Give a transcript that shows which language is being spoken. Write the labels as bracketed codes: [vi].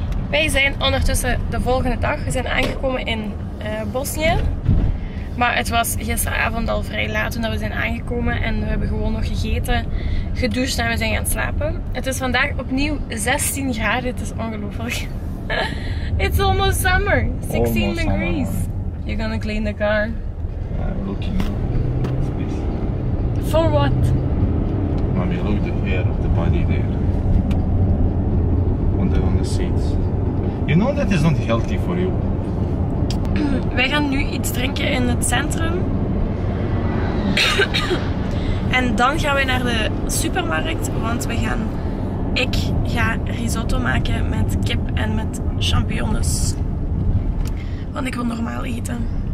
[nl] Wij zijn ondertussen de volgende dag. We zijn aangekomen in Bosnië. Maar het was gisteravond al vrij laat toen we zijn aangekomen. En we hebben gewoon nog gegeten, gedoucht en we zijn gaan slapen. Het is vandaag opnieuw 16 graden. Het is ongelooflijk. [en] It's almost summer. 16 almost degrees. Summer. You're gonna clean the car. I'm looking for space. For what? Mommy, look at the hair of the body there. On the seats. You know that is not healthy for you. [nl] Wij gaan nu iets drinken in het centrum. En dan gaan we naar de supermarkt, want ik ga risotto maken met kip en met champignons. Want ik wil normaal eten.